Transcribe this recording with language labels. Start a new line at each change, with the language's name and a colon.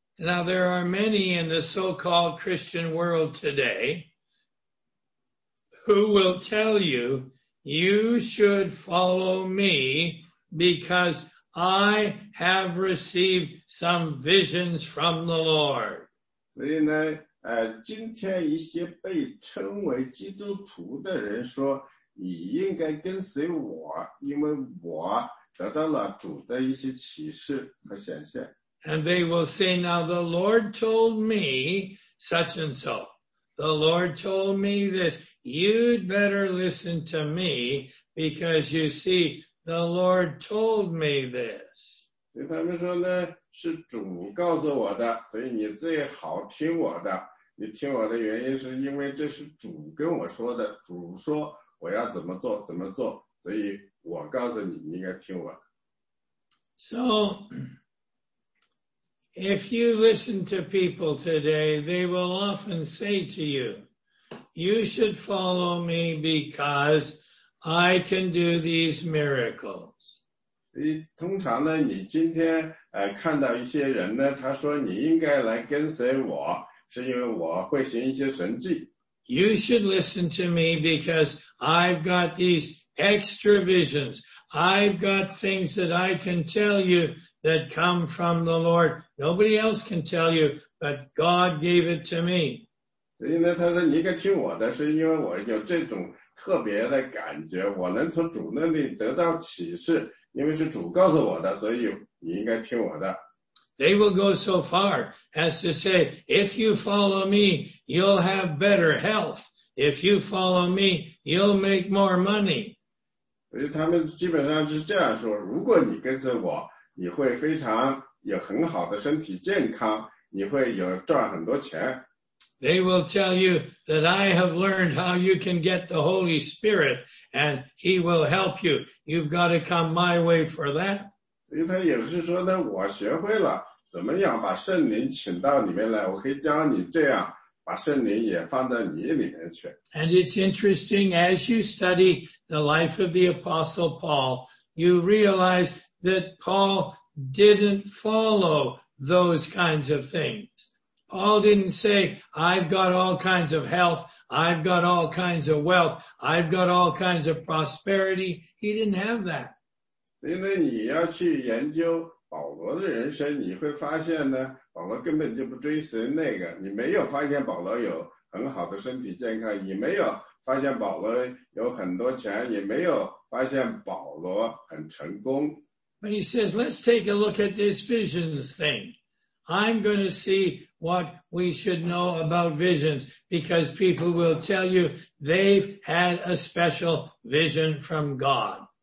English: Now there are many in the so-called Christian world today who will tell you, you should follow me because I have received some visions from the Lord.
Chinese: 所以呢，今天一些被称为基督徒的人说，你应该跟随我，因为我得到了主的一些启示和显现。
English: And they will say, now the Lord told me such and so. The Lord told me this. you'd better listen to me because you see, the Lord told me this.
Chinese: 他们说呢, 是主告诉我的, 所以你最好听我的, 你听我的原因是因为这是主跟我说的, 主说我要怎么做, 怎么做, 所以我告诉你, 你应该听我。
English: So, if you listen to people today, they will often say to you, you should follow me because I can do these miracles.
Chinese: 通常呢, 你今天, 看到一些人呢, 他说你应该来跟随我, 是因为我会行一些神迹。
English: You should listen to me because I've got these extra visions. I've got things that I can tell you that come from the Lord. Nobody else can tell you, but God gave it to me.
Chinese: 所以呢,他说你应该听我的, 是因为我有这种特别的感觉, 我能从主那里得到启示, 因为是主告诉我的, 所以你应该听我的。
English: They will go so far as to say, if you follow me, you'll have better health. If you follow me, you'll make more money.
Chinese: 所以他们基本上是这样说, 如果你跟着我, 你会非常有很好的身体健康, 你会有赚很多钱。
English: They will tell you that I have learned how you can get the Holy Spirit and He will help you. You've got to come my way for that.
Chinese: 所以他也是说呢, 我学会了, 怎么样把圣灵请到里面来, 我可以教你这样, 把圣灵也放在你里面去。
English: And it's interesting, as you study the life of the Apostle Paul, you realize that Paul didn't follow those kinds of things. Paul didn't say, I've got all kinds of health, I've got all kinds of wealth, I've got all kinds of prosperity. He didn't have that.
Chinese: 所以呢,你要去研究保罗的人生, 你会发现呢, 保罗根本就不追随那个, 你没有发现保罗有很好的身体健康, 你没有发现保罗有很多钱, 也没有发现保罗很成功。
English: But he says, let's take a look at this visions thing. I'm going to see what we should know about visions because people will tell you they've had a special vision from God.